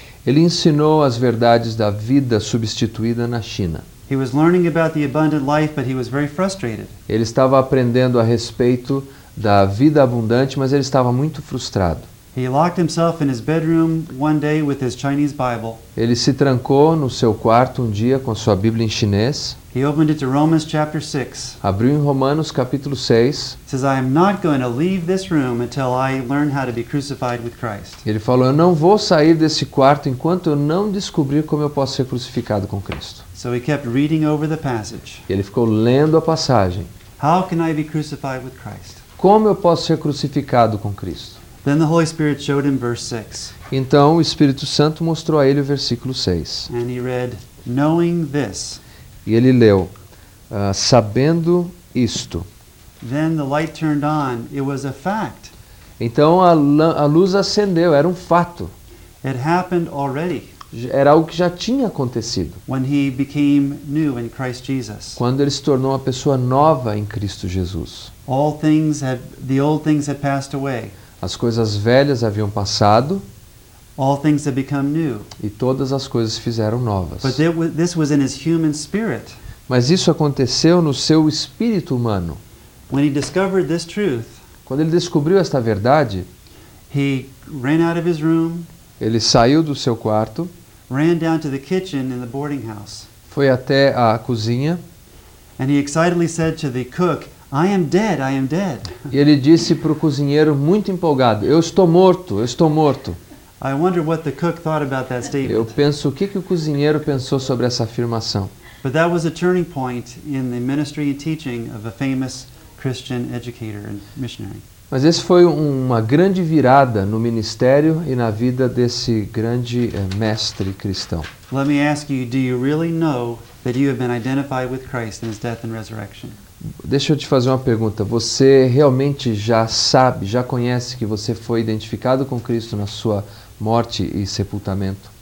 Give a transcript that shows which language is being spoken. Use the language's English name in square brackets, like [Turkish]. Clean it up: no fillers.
[Portuguese] Ele ensinou as verdades da vida substituída na China. [English] He was learning about the abundant life, but he was very frustrated. [Portuguese] Ele estava aprendendo a respeito da vida abundante, mas ele estava muito frustrado. [English] He locked himself in his bedroom one day with his Chinese Bible. [Portuguese] Ele se trancou no seu quarto um dia com sua Bíblia em chinês. [English] He opened it to Romans chapter 6. [Portuguese] Abriu em Romanos capítulo 6. [English] He says, I am not going to leave this room until I learn how to be crucified with Christ. [Portuguese] Ele falou, eu não vou sair desse quarto enquanto eu não descobrir como eu posso ser crucificado com Cristo. [English] So he kept reading over the passage. [Portuguese] E ele ficou lendo a passagem. [English] How can I be crucified with Christ? [Portuguese] Como eu posso ser crucificado com Cristo? [English] Then the Holy Spirit showed him verse 6. [Portuguese] Então o Espírito Santo mostrou a ele o versículo 6. [English] And he read, knowing this. [Portuguese] E ele leu, sabendo isto. [English] Then the light turned on. It was a fact. [Portuguese] Então a luz acendeu, era um fato. [English] It happened already. [Portuguese] Era algo que já tinha acontecido. [English] When he became new in Christ Jesus. [Portuguese] Quando ele se tornou uma pessoa nova em Cristo Jesus. [English] All things had, the old things had passed away. [Portuguese] As coisas velhas haviam passado. [English] All things have become new. [Portuguese] E todas as coisas se fizeram novas. [English] But this was in his human spirit. [Portuguese] Mas isso aconteceu no seu espírito humano. [English] When he discovered this truth, [Portuguese] quando ele descobriu esta verdade, [English] he ran out of his room, [Portuguese] ele saiu do seu quarto, [English] ran down to the kitchen in the boarding house, [Portuguese] foi até a cozinha, [English] and he excitedly said to the cook, I am dead, I am dead. [Portuguese] E ele disse para o cozinheiro muito empolgado, eu estou morto, eu estou morto. [English] I wonder what the cook thought about that statement. [Portuguese] Eu penso o que o cozinheiro pensou sobre essa afirmação. [English] But that was a turning point in the ministry and teaching of a famous Christian educator and missionary. [Portuguese] Mas esse foi uma grande virada no ministério e na vida desse grande mestre cristão. [English] Let me ask you, do you really know that you have been identified with Christ in his death and resurrection? [Portuguese] Deixa eu te fazer uma pergunta. Você realmente já sabe, já conhece que você foi identificado com Cristo na sua morte e sepultamento?